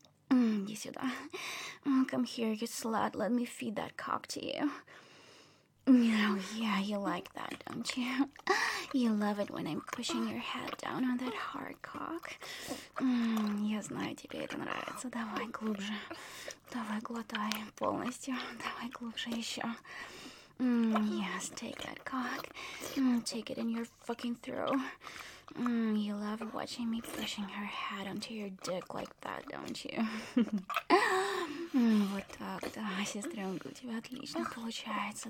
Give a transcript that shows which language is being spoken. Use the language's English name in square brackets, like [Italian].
[Russian] Иди сюда. [English] Come here, you slut. Let me feed that cock to you. Oh, yeah, you like that, don't you? You love it when I'm pushing your head down on that hard cock. [Russian] Я знаю, тебе это нравится. Давай глубже. Давай глотай полностью. Давай глубже еще. [English] Yes, take that cock. Take it in your fucking throat. You love watching me pushing her head onto your dick like that, don't you? [Russian] Вот так, да, сестренка, у тебя отлично получается.